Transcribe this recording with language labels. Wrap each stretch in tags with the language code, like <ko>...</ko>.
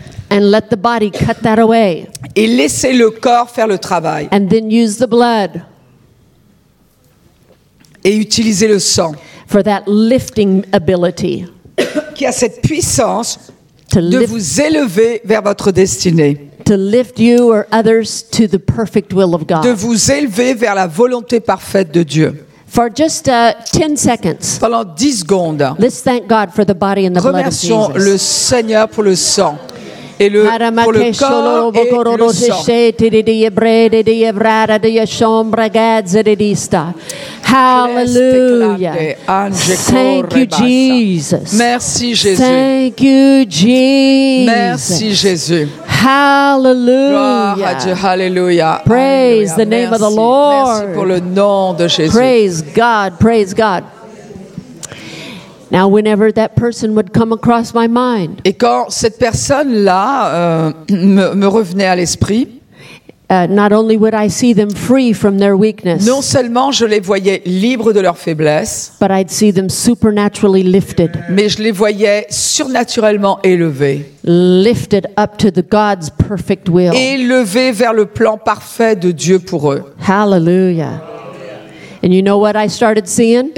<en>And let the body cut that away.</en> <fr>Et laissez le corps faire le travail.</fr> <en>And then use the blood.</en> <fr>Et utilisez le sang.</fr> <en>For that lifting ability.</en> <fr>Qui a cette puissance de vous élever vers votre destinée.</fr> <en>To lift you or others to the perfect will of God.</en> <fr>De vous élever vers la volonté parfaite de Dieu.</fr> <en>For just 10 seconds.</en> <fr>Pendant 10 secondes.</fr> <en>Let's thank God for the body and the blood of Jesus.</en> <fr>Remercions le Seigneur pour le sang et pour le corps et le sang.</fr> <en>Hallelujah. Thank you, Jesus.</en> <fr>Merci, Jésus.</fr> <en>Thank you, Jesus.</en> <fr>Merci, Jésus. Hallelujah. Hallelujah.</fr> <en>Praise the name of the Lord.</en> <fr>Merci pour le nom de Jésus.</fr> <en>Praise God. Praise God. Now, whenever that person would come across my mind.</en> <fr>Et quand cette personne-là me revenait à l'esprit.</fr> <en>Not only would I see them free from their weakness.</en> <fr>Non seulement je les voyais libres de leur faiblesse.</fr> <en>But I'd see them supernaturally lifted.</en> <fr>Mais je les voyais surnaturellement élevés.</fr> <en>Lifted up to the God's perfect will.</en> <fr>Élevés vers le plan parfait de Dieu pour eux.</fr> <en>Hallelujah. And you know what I started seeing?</en>